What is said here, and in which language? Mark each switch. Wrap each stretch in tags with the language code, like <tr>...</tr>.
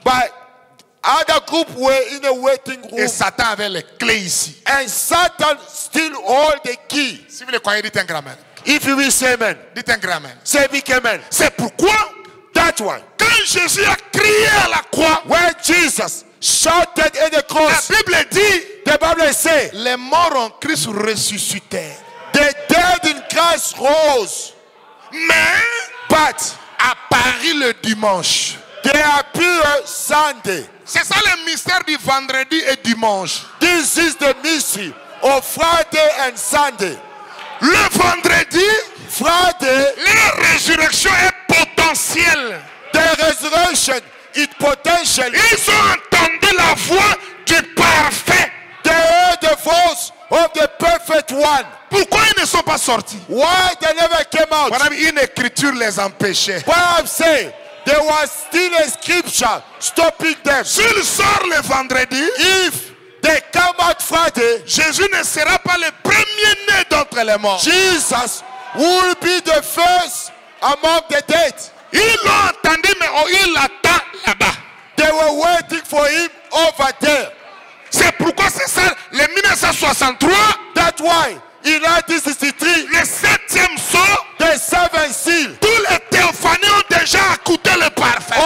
<en>But other group were in a waiting room.</en> <fr>Et Satan avait les clés ici.</fr> <en>And Satan still hold the key.</en> <fr>Si vous le croyez, dites un grand amen.</fr> <en>If you will say amen.</en> <fr>Dites un grand amen.</fr> <en>Say big amen.</en> <fr>C'est pourquoi?</fr> <en>That's why.</en> <fr>Quand Jésus a crié à la croix.</fr> <en>When Jesus shouted at the cross.</en> <fr>La Bible dit.</fr> <en>The Bible says,</en> <fr>les morts en Christ ressuscitèrent.</fr> <en>The dead in Christ rose.</en> <fr>Mais,</fr> <en>but,</en> <fr>apparu le dimanche.</fr> <en>They appear Sunday.</en> <fr>C'est ça le mystère du vendredi et dimanche.</fr> <en>This is the mystery of Friday and Sunday.</en> <fr>Le vendredi,</fr> <en>Friday,</en> <fr>la résurrection est potentielle.</fr> <en>The resurrection is potential.</en> <fr>Ils ont entendu la voix du parfait.</fr> <en>They heard the voice of the perfect one.</en> <fr>Pourquoi ils ne sont pas sortis?</fr> <en>Why they never came out?</en> <fr>Voilà, une écriture les empêchait.</fr> <en>What I'm saying, there was still a scripture stopping them.</en> <fr>S'ils sortent le vendredi,</fr> <en>if they come out Friday,</en> <fr>Jésus ne sera pas le premier né d'entre les morts.</fr> <en>Jesus will be the first among the dead.</en> <fr>Ils l'ont entendu, mais ils l'attendent là-bas.</fr> <en>They were waiting for him over there.</en> <fr>C'est pourquoi c'est ça, le 1963.</fr> <en>That's why, in 1963,</en> <fr>le septième son,</fr> <en>the seventh seal.</en> <fr>Tous les théophanies ont déjà écouté le parfait.</fr>